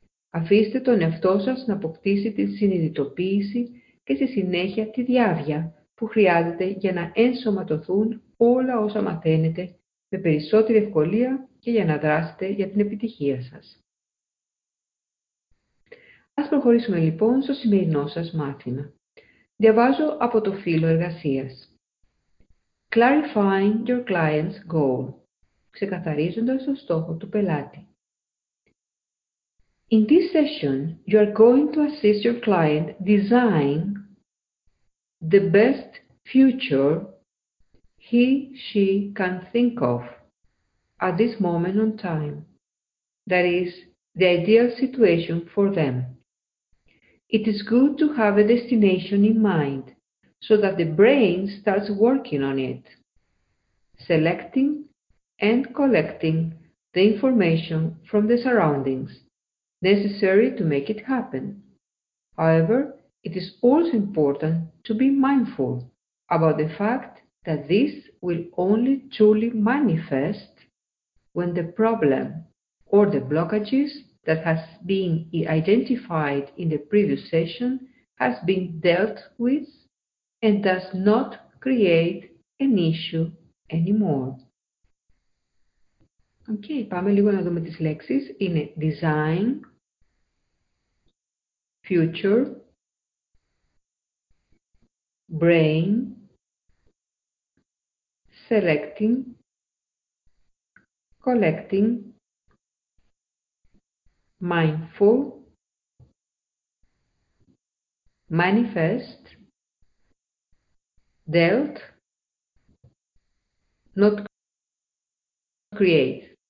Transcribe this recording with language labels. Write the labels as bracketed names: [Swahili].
[Greek] Αφήστε τον εαυτό σας να αποκτήσει τη συνειδητοποίηση και στη συνέχεια τη διάβια που χρειάζεται για να ενσωματωθούν όλα όσα μαθαίνετε με περισσότερη ευκολία και για να δράσετε για την επιτυχία σας. Ας προχωρήσουμε λοιπόν στο σημερινό σας μάθημα. Διαβάζω από το φύλλο εργασίας. [English] Clarifying your client's goal. [Greek] Ξεκαθαρίζοντας το στόχο του πελάτη. [English] In this session, you are going to assist your client design the best future he, she can think of. At this moment on time, that is the ideal situation for them. It is good to have a destination in mind so that the brain starts working on it, selecting and collecting the information from the surroundings necessary to make it happen. However, it is also important to be mindful about the fact that this will only truly manifest when the problem or the blockages that has been identified in the previous session has been dealt with and does not create issue anymore. [Greek] Οκ, okay, πάμε λίγο να δούμε τις λέξεις. Είναι design, future, brain, selecting, collecting, mindful, manifest, dealt, not create.